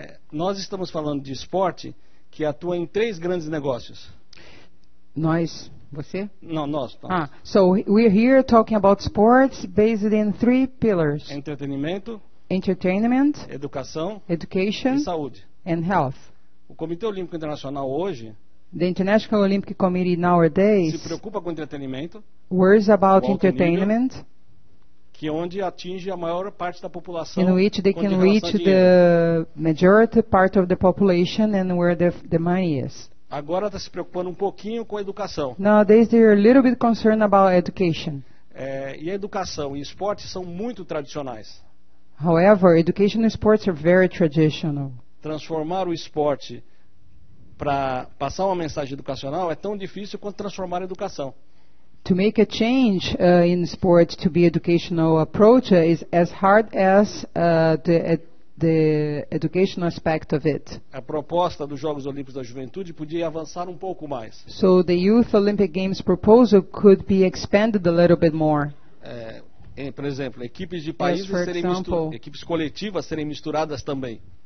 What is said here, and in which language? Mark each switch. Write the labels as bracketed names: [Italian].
[Portuguese] Nós estamos falando de esporte que atua em três grandes negócios. Nós Você? Não, nós. [English] Ah, so we're here talking about sports based in three pillars. Entertainment. Education. [Portuguese] E saúde. [English] And health. [Portuguese] O Comitê Olímpico Internacional hoje, [English] the International Olympic Committee nowadays, [Portuguese] se preocupa com entretenimento. [English] Worries about entertainment. [Portuguese] Que onde atinge a maior parte da população. [English] In which they can reach the majority part of the population and where the money is. [Portuguese] Agora está se preocupando um pouquinho com a educação. [English] Nowadays they are a little bit concerned about education. [Portuguese] E a educação e esportes são muito tradicionais. [English] However, education and sports are very traditional. [Portuguese] Transformar o esporte para passar uma mensagem educacional é tão difícil quanto transformar a educação. [English] To make a change in sports to be educational approach is as hard as the educational aspect of it. [Portuguese] A proposta dos Jogos Olímpicos da Juventude podia avançar um pouco mais. [English] So the Youth Olympic Games proposal could be expanded a little bit more. [Portuguese] Por exemplo, equipes de países equipes coletivas serem misturadas também.